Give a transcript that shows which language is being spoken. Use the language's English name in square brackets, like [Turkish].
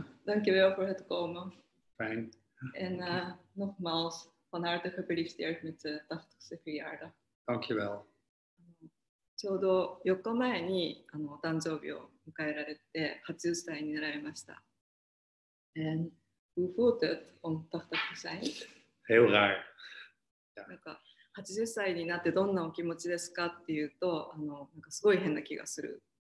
[Dutch] Dank je wel voor het komen. Fijn. En nogmaals, van harte gefeliciteerd met de 80ste verjaardag. Dank je wel. [Japanese] ちょうど4日前に誕生日を迎えられて80歳になられました。 [Dutch] And hoe voelt het om 80 te zijn? Heel raar. [Japanese] なんか80歳になってどんなお気持ちですかっていうとなんかすごい変な気がする。